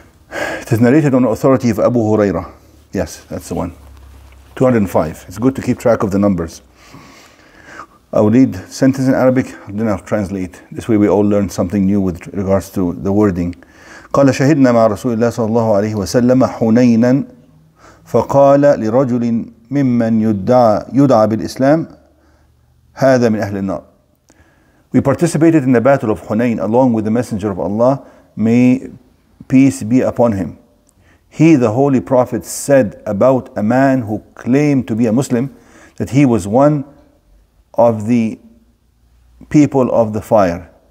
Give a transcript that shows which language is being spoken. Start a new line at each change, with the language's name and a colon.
English: It is narrated on authority of Abu Huraira. Yes, that's the one. 205. It's good to keep track of the numbers. I will read sentence in Arabic, then I'll translate. This way we all learn something new with regards to the wording.
Arabic: قال شهدنا مع رسول الله صلى الله عليه وسلم حنينا فقال لرجل ممن يدعى بالإسلام هذا من أهل النار.
English: We participated in the battle of Hunayn along with the Messenger of Allah, may peace be upon him. He, the Holy Prophet, said about a man who claimed to be a Muslim that he was one of the people of the fire.